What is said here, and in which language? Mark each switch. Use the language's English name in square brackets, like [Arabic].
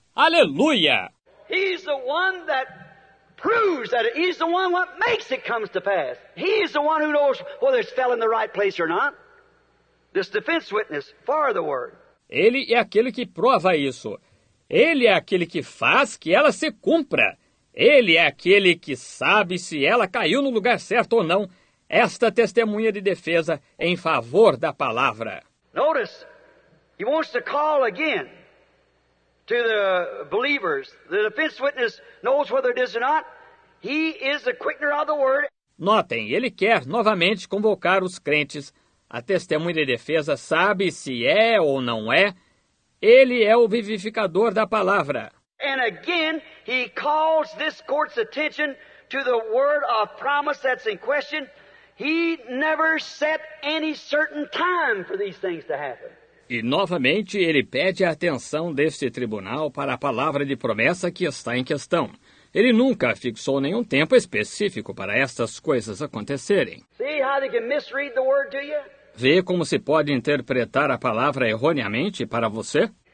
[Portuguese] Aleluia! [English] He's the one that proves that he's the one what makes it comes to pass. He's the one who knows whether it's fell in the right place or not. This defense witness for the word. [Portuguese] Ele é aquele que prova isso. Ele é aquele que faz que ela se cumpra. Ele é aquele que sabe se ela caiu no lugar certo ou não. Esta testemunha de defesa em favor da palavra. [English] Notice, he wants to call again to the believers. The defense witness knows whether it is or not. He is the quickener of the word. [Portuguese] Notem, ele quer novamente convocar os crentes. A testemunha de defesa sabe se é ou não é. Ele é o vivificador da palavra. [English] And again, he calls this court's attention to the word of promise that's in question. He never set any certain time for these things to happen. [Portuguese] E novamente ele pede a atenção deste tribunal para a palavra de promessa que está em questão. Ele nunca fixou nenhum tempo específico para estas coisas acontecerem. [English] See how they can misread the word to you? [Portuguese] Vê como se pode interpretar a palavra erroneamente para você?